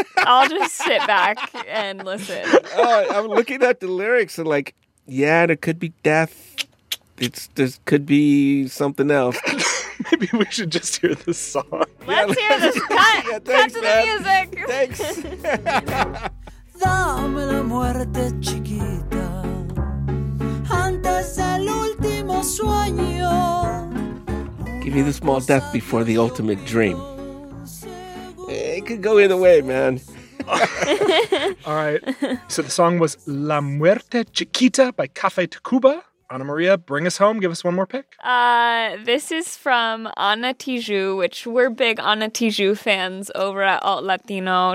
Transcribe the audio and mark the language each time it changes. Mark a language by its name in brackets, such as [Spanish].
[English] I'll just sit back and listen. I'm looking at the lyrics and like, yeah, there could be death. This could be something else. Maybe we should just hear this song. Let's hear this. Cut to the music. Thanks. [Spanish] Dame la muerte chiquita antes del último sueño. [English] Give me the small death before the ultimate dream. It could go either way, man. All right. So the song was La Muerte Chiquita by Café Tacuba. Ana Maria, bring us home. Give us one more pick. This is from Ana Tijoux, which we're big Ana Tijoux fans over at Alt Latino.